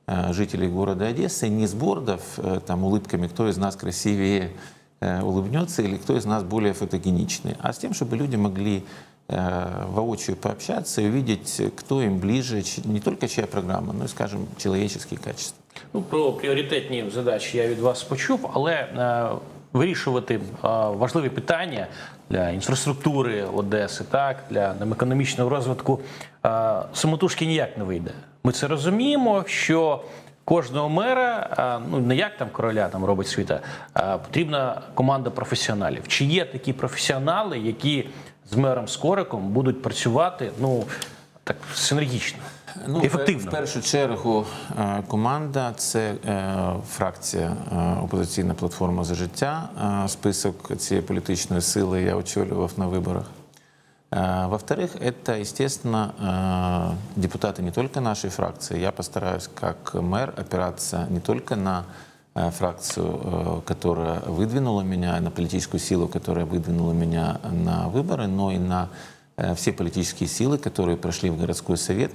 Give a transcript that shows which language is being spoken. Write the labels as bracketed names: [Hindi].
[Russian] жителей города Одессы, не с бордов, там, улыбками, кто из нас красивее улыбнется или кто из нас более фотогеничный, а с тем, чтобы люди могли воочию пообщаться и увидеть, кто им ближе, не только чья программа, но и, скажем, человеческие качества. [Ukrainian] Ну, про пріоритетні задачі я від вас почув, але вирішувати важливі питання для інфраструктури Одеси, так, для економічного розвитку, самотужки ніяк не вийде. Ми це розуміємо, що кожного мера, ну, не як там короля там робить світа, потрібна команда професіоналів. Чи є такі професіонали, які з мером Скориком будуть працювати, ну, так, синергічно, ну, ефективно? В першу чергу команда – це фракція «Опозиційна платформа «За життя». Список цієї політичної сили я очолював на виборах. [Russian] Во-вторых, это, естественно, депутаты не только нашей фракции. Я постараюсь, как мэр, опираться не только на фракцию, которая выдвинула меня, на политическую силу, которая выдвинула меня на выборы, но и на все политические силы, которые прошли в городской совет.